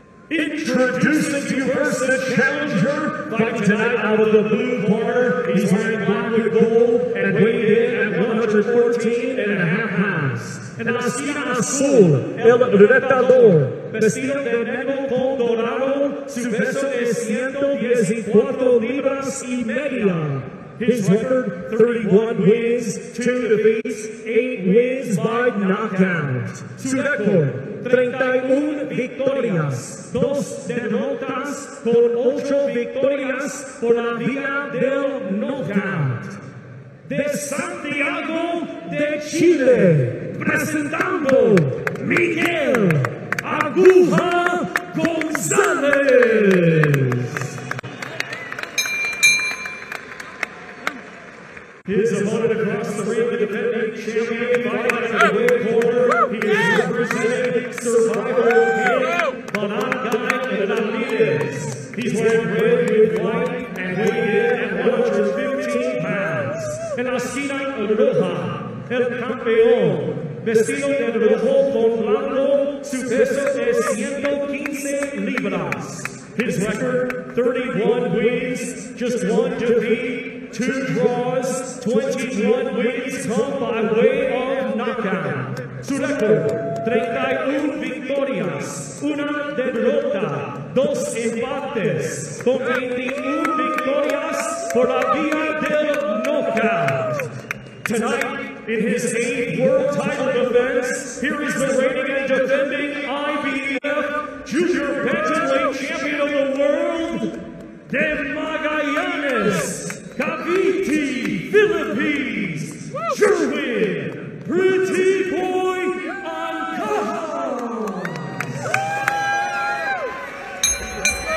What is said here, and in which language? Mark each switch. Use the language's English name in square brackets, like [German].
[English] Introducing to you first the challenger, fighting tonight out of the blue corner. He's wearing black and gold and weighed in at 114.5 pounds. [Spanish] Nacido azul, el retador, vestido de negro con dorado, su peso es 114.5 libras. [English] His record, 31 wins, 2 defeats, 8 wins by knockout. [Spanish] Su record, 31 victorias, 2 derrotas, con 8 victorias por la vía del knockout. De Santiago de Chile, presentando Miguel Aguja González. [English] His opponent across the ring, independent champion, fighting in the red corner. He is representing Survivor King, Panabo City, and alias. He's wearing red with white and weighed in at 115 pounds. [Spanish] En la esquina roja, el campeón, vestido de rojo con blanco, su peso es 115 libras. [English] His record, 31 wins, just 1 defeat. 2 draws, 21 wins come by way of knockout. [Spanish] Su record, 31 victorias, 1 derrota, 2 empates, con 21 victorias por la vía del knockout. [English] Tonight, in his 8th world title defense, here is the reigning and defending IBF Junior Bantamweight Champion of the World, De Magallanes. Cavite, Philippines, Jerwin, Pretty Boy Ancajas.